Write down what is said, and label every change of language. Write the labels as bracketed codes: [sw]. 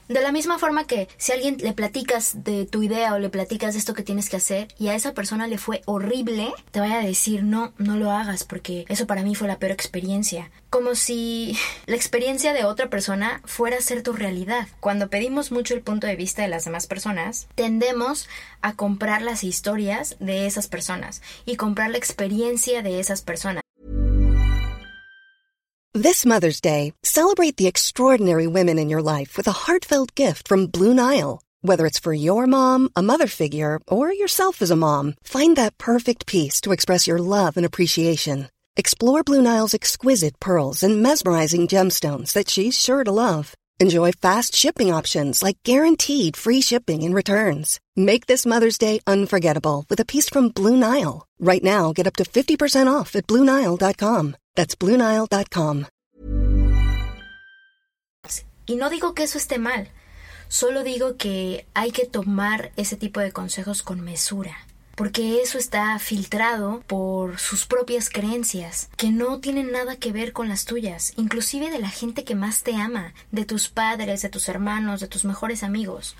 [es] De la misma forma que si a alguien le platicas de tu idea o le platicas de esto que tienes que hacer y a esa persona le fue horrible, te vaya a decir no, no lo hagas porque eso para mí fue la peor experiencia. Como si la experiencia de otra persona fuera a ser tu realidad. Cuando pedimos mucho el punto de vista de las demás personas, tendemos a comprar las historias de esas personas y comprar la experiencia de esas personas. [en] This Mother's Day, celebrate the extraordinary women in your life with a heartfelt gift from Blue Nile. Whether it's for your mom, a mother figure, or yourself as a mom, find that perfect piece to express your love and appreciation. Explore Blue Nile's exquisite pearls and mesmerizing gemstones that she's sure to love. Enjoy fast shipping options like guaranteed free shipping and returns. Make this Mother's Day unforgettable with a piece from Blue Nile. Right now, get up to 50% off at BlueNile.com. That's BlueNile.com. [es] Y no digo que eso esté mal. Solo digo que hay que tomar ese tipo de consejos con mesura. Porque eso está filtrado por sus propias creencias, que no tienen nada que ver con las tuyas. Inclusive de la gente que más te ama, de tus padres, de tus hermanos, de tus mejores amigos.